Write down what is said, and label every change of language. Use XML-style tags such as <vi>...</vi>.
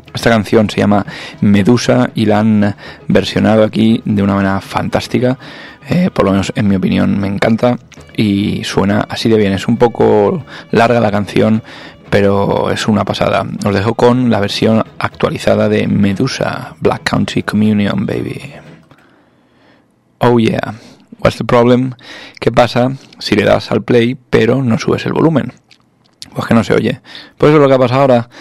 <es>Esta canción se llama Medusa y la han versionado aquí de una manera fantástica. Por lo menos en mi opinión me encanta y suena así de bien. Es un poco larga la canción, pero es una pasada. Os dejo con la versión actualizada de Medusa, Black Country Communion, baby.</es> <en>Oh yeah, what's the problem?</en> <es>¿Qué pasa si le das al play pero no subes el volumen? Pues que no se oye. Pues eso es lo que ha pasado ahora.</es>